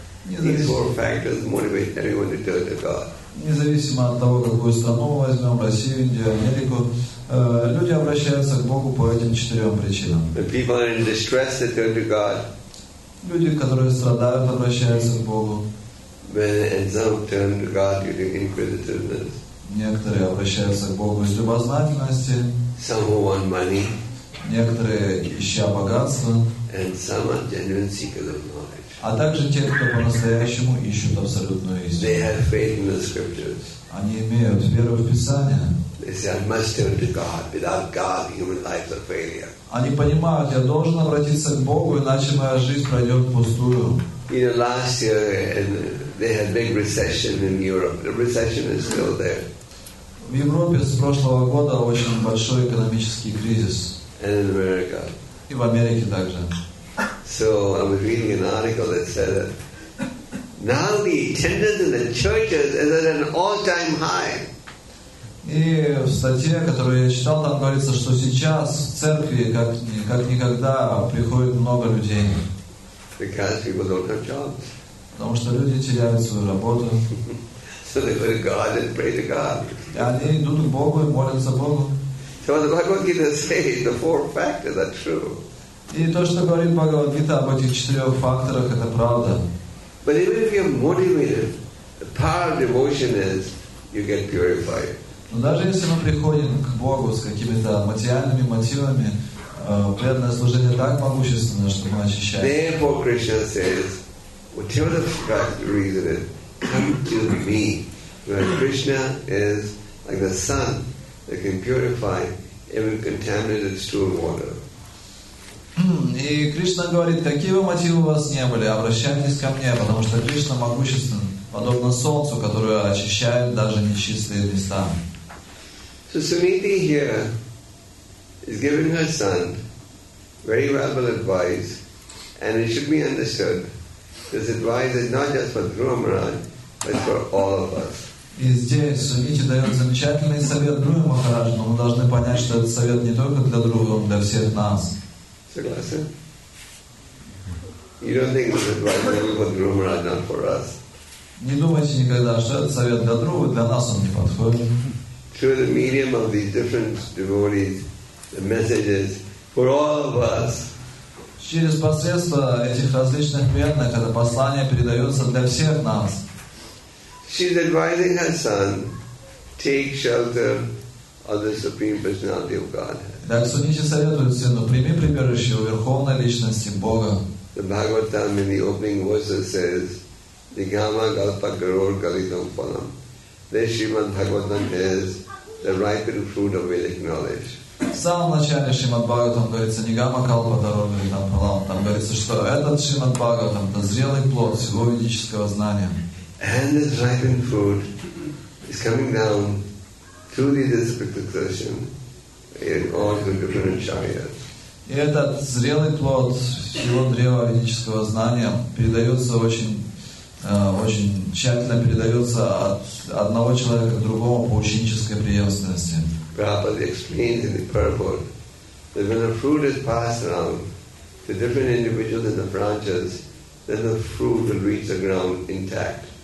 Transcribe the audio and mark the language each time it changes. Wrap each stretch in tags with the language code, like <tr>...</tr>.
<en>These four factors motivate everyone to turn to God.</en> <ru>Независимо от того, какую страну мы возьмем, Россию, Индию, Америку, люди обращаются к Богу по этим четырем причинам.</ru> <en>The people in distress, they turn to God.</en> <ru>Люди, которые страдают, обращаются к Богу.</ru> <en>And some turn to God due to inquisitiveness.</en> <ru>Некоторые обращаются к Богу из любознательности.</ru> <en>Some who want money.</en> <ru>Некоторые ища богатство.</ru> <en>And some are genuine seekers of knowledge.</en> <ru>А также те, кто по-настоящему ищут абсолютную истину.</ru> <en>They have faith in the scriptures.</en> <ru>Они имеют веру в Писание.</ru> <en>They say, I must turn to God. Without God, human life is a failure.</en> <ru>Они понимают, я должен обратиться к Богу, иначе моя жизнь пройдет впустую.</ru> <en>You know, last year they had a big recession in Europe. The recession is still there.</en> <ru>В Европе с прошлого года очень большой экономический кризис.</ru> <en>And in America.</en> <ru>И в Америке также.</ru> <en>So I was reading an article that said that now the attendance in the churches is at an all-time high.</en> <ru>И в статье, которую я читал, там говорится, что сейчас в церкви как никогда приходит много людей.</ru> <en>Because people don't have jobs.</en> <ru>Потому что люди теряют свою работу.</ru> <en>So they go to God and pray to God.</en> <ru>И они идут к Богу и молятся Богу.</ru> <en>So what the Bhagavad Gita says, the four factors are true.</en> <ru>И то, что говорит Бхагавад Гита об этих четырех факторах, это правда.</ru> <en>But even if you're motivated, the power of devotion is you get purified.</en> <ru>Но даже если мы приходим к Богу с какими-то материальными мотивами, преданное служение так могущественно, что мы очищаемся.</ru> <en>Therefore, Krishna says, whatever the reason is, come to me. Because Krishna is like the sun that can purify even contaminated stool water.</en> <ru>И Кришна говорит, какие бы мотивы у вас не были, обращайтесь ко мне, потому что Кришна могуществен, подобно солнцу, которое очищает даже нечистые места.</ru> <en>So Suniti here is giving her son very valuable advice, and it should be understood this advice is not just for Dhruva Maharaj, but for all of us.</en> <ru>И здесь Сумити дает замечательный совет Дхруве Махарадж, но мы должны понять, что этот совет не только для Дхруве, он для всех нас. Согласен?</ru> <en>You don't think this advice is only for Dhruva Maharaj, not for us?</en> <ru>Не думайте никогда, что этот совет для Дхрувы, для нас он не подходит.</ru> <en>Through the medium of these different devotees, the messages for all of us.</en> <ru>Через посредство этих различных преданных это послание передается для всех нас.</ru> <en>She's advising her son take shelter of the Supreme Personality of Godhead.</en> <ru>Так Сунити советует сыну, прими прибежище у Верховной Личности Бога.</ru> <en>The Bhagavatam in the opening verses says,</en> <sa>Nigama Galpa Garor Galitam Palam.</sa> <en>This Srimad Bhagavatam is the ripened fruit of Vedic knowledge.</en> <ru>В самом начале Шримад Бхагаватам говорится</ru> <sa>Нигама Калпа Дарор Галитам Палам.</sa> <ru>Там говорится, что этот Шримад Бхагаватам это зрелый плод всего ведического знания.</ru> <en>And this ripened food is coming down through the disciplic ocean in all the different charyas.</en> <ru>И этот зрелый плод всего древа ведического знания передается очень тщательно передается от одного человека к другому по ученической преемственности.</ru> <en>Prabhupada explains in the purport that when a fruit is passed around to different individuals in the branches, then the fruit will reach the ground intact.</en>